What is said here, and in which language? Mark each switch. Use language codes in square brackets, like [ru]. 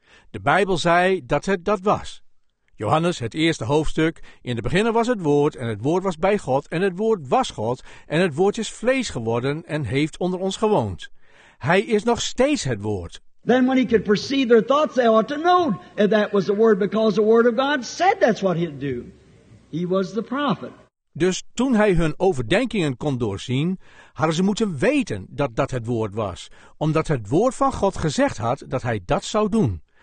[nl] De Bijbel zei dat het dat was. Johannes, het eerste hoofdstuk. In het begin was het Woord, en het Woord was bij God, en het Woord was God, en het Woord is vlees geworden en heeft onder ons gewoond. Hij is nog steeds het Woord. [en] Then when he could perceive their thoughts, they ought to know that that was the Word, because the Word of God said that's what he'd do. He was the prophet. [nl] Dus toen hij hun overdenkingen kon doorzien, hadden ze moeten weten dat dat het Woord was, omdat het Woord van God gezegd had dat hij dat zou doen.